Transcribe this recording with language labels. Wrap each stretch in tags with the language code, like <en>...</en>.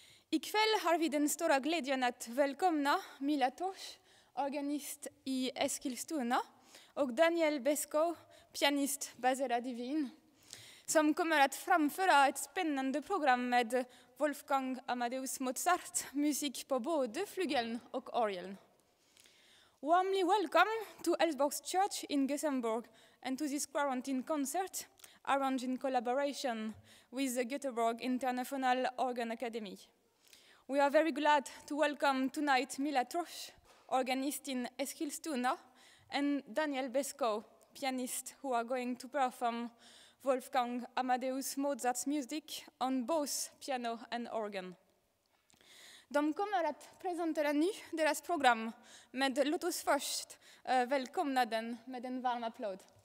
<sv>I kväll har vi den stora glädjen att välkomna Mila Thoors, organist i Eskilstuna, och Daniel Beskow, pianist baserad i Wien, som kommer att framföra ett spännande program med Wolfgang Amadeus Mozart, musik på både flygeln och orgeln.</sv> <en>Warmly welcome to Älvsborgs Church in Gothenburg and to this quarantine concert arranged in collaboration with the Göteborg International Organ Academy. We are very glad to welcome tonight Mila Thoors, organist in Eskilstuna, and Daniel Beskow, pianist, who are going to perform Wolfgang Amadeus Mozart's music on both piano and organ.</en> <sv>De kommer att presentera nu deras program, men låt oss först välkomna den med en varm applåd.</sv>